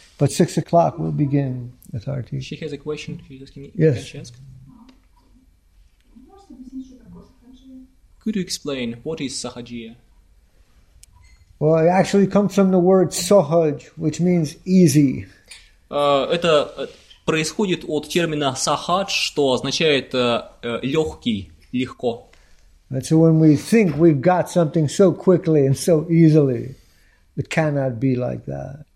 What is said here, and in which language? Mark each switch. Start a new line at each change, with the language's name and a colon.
English: But 6 o'clock we'll begin with RT. She has a question. She's asking me. Yes. Can she ask? Could you explain what is Sahajiya? Well, it actually comes from the word Sahaj, which means easy.
Russian: Это происходит от термина Sahaj, что означает легкий, легко.
English: And so when we think we've got something so quickly and so easily, it cannot be like that.